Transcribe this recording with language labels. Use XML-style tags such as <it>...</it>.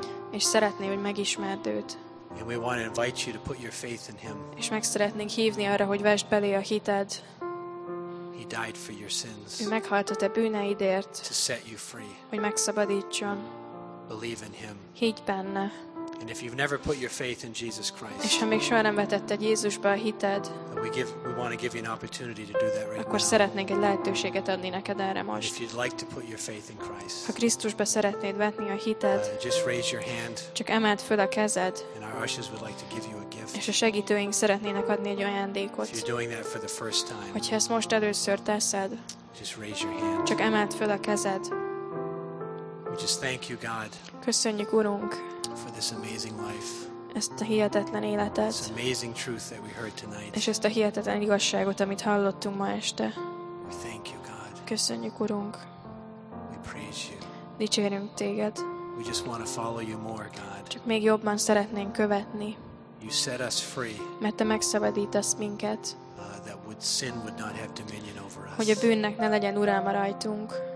<hu>És szeretné, hogy megismerd őt.</hu> <en>And we want to invite you to put your faith in him.</en> <hu>És meg szeretnénk hívni arra, hogy vesd belé a hited.</hu> <en>He died for your sins.</en> <hu>Ő meghalt a te bűneidért.</hu> <en>To set you free.</en> <hu>Hogy megszabadítson.</hu> <en>Believe in him.</en> <hu>Higgy benne.</hu> <en>And if you've never put your faith in Jesus Christ,</en> <hu>és ha még soha nem vetetted Jézusba a hited,</hu> <en>we want to give you an opportunity to do that right now.</en> <hu>Akkor szeretnénk egy lehetőséget adni neked erre most.</hu> <en>If you'd like to put your faith in Christ,</en> <hu>ha Krisztusba szeretnéd vetni a hited,</hu> <en>just raise your hand.</en> <hu>Csak emeld föl a kezed.</hu> <en>And our ushers would like to give you a gift.</en> <hu>És a segítőink szeretnének adni egy ajándékot.</hu> <en>If you're doing that for the first time,</en> <hu>hogyha ezt most először teszed,</hu> <en>just raise your hand.</en> <hu>Csak emeld föl a kezed.</hu> <en>We just thank you, God.</en> <hu>Köszönjük, Urunk,</hu> <en>for this amazing life.</en> <hu>Ezt a hihetetlen életet.</hu> <en>This amazing truth that we heard tonight.</en> <hu>És ezt a hihetetlen igazságot, amit hallottunk ma este.</hu> <en>We thank you, God.</en> <hu>Köszönjük, Urunk.</hu> <en>We praise you.</en> <hu>Dicsérünk téged.</hu> <en>We just want to follow you more, God.</en> <hu>Csak még jobban szeretnénk követni.</hu> <en>You set us free.</en> <hu>Mert te megszabadítasz minket.</hu> <en>That would sin would not have dominion over us.</en> <hu>Hogy a bűnnek ne legyen uráma rajtunk.</hu>